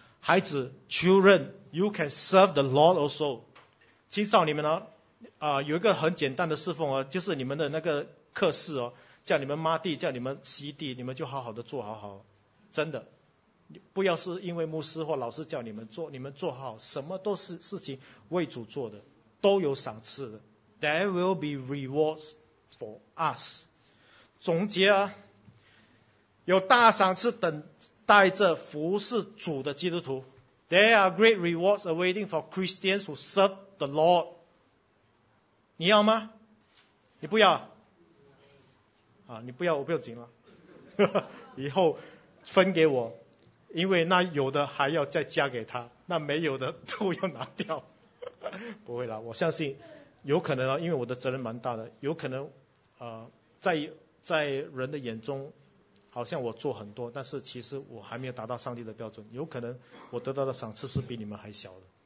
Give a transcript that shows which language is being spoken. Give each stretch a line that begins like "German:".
Chinese: 孩子
English: children you can serve the Lord also，
Chinese: 青少年们呢有一个很简单的侍奉、哦、就是你们的那个课室哦，叫你们抹地，叫你们洗地，你们就好好的做好，真的不要是因为牧师或老师叫你们做，你们做好，什么都是事情为主做的，都有赏赐的。
English: There will be rewards for us。
Chinese: 总结啊，有大赏赐等待着服侍主的基督徒。
English: There are great rewards awaiting for Christians who serve the Lord。
Chinese: 你要吗？你不要啊，你不要我不用紧了以后分给我，因为那有的还要再加给他，那没有的都要拿掉不会啦，我相信有可能啊，因为我的责任蛮大的，有可能在人的眼中好像我做很多，但是其实我还没有达到上帝的标准，有可能我得到的赏赐是比你们还小的。